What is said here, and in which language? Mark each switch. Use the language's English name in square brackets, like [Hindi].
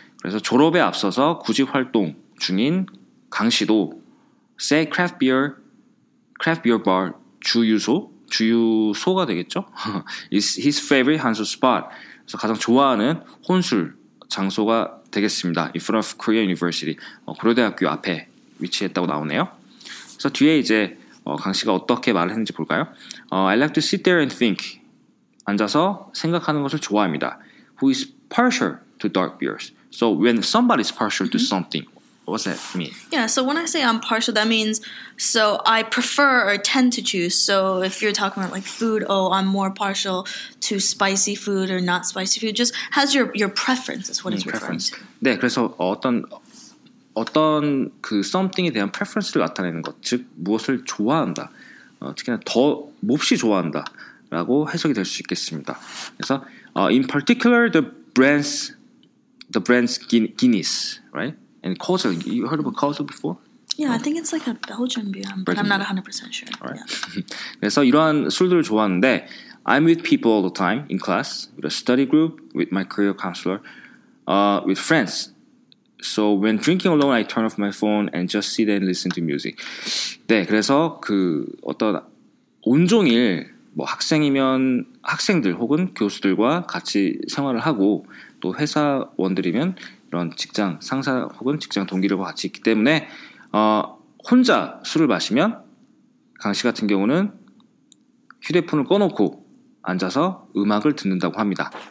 [Korean] 그래서 졸업에 앞서서 구직 활동 중인 강 씨도 [English] say craft beer bar [Korean] 주유소가 되겠죠? [English] is his favorite [Korean] 한술 spot. 그래서 가장 좋아하는 혼술 장소가 되겠습니다. [English] In front of Korea University. [Korean] 고려대학교 앞에 위치했다고 나오네요. 그래서 뒤에 이제 강 씨가 어떻게 말을 했는지 볼까요? [English] I like to sit there and think. [Korean] 앉아서 생각하는 것을 좋아합니다. [English] Who is partial to dark beers? So when somebody is partial to something, what's that mean? Yeah, so when I say I'm partial, that means so I prefer or tend to choose. So if you're talking about like food, oh, I'm more partial to spicy food or not spicy food. Just has your preference is what it's preference. Referring to. [Korean] 네, 그래서 어떤 그 something에 대한 preference를 나타내는 것, 즉 무엇을 좋아한다, 특히나 더 몹시 좋아한다. 라고 해석이 될 수 있겠습니다. [English] 그래서 in particular the brands Guinness, right? And Kozel, you heard about Kozel before? Yeah, I think it's like a Belgian beer, but I'm not 100% sure. Right. Yeah. [Korean] 그래서 이러한 술들을 좋아하는데 [English] I'm with people all the time in class, with a study group, with my career counselor, with friends. So when drinking alone, I turn off my phone and just sit and listen to music. [Korean] 네, 그래서 그 어떤 온종일 뭐 학생이면 학생들 혹은 교수들과 같이 생활을 하고 또 회사원들이면 이런 직장 상사 혹은 직장 동기들과 같이 있기 때문에 혼자 술을 마시면 강 씨 같은 경우는 휴대폰을 꺼놓고 앉아서 음악을 듣는다고 합니다.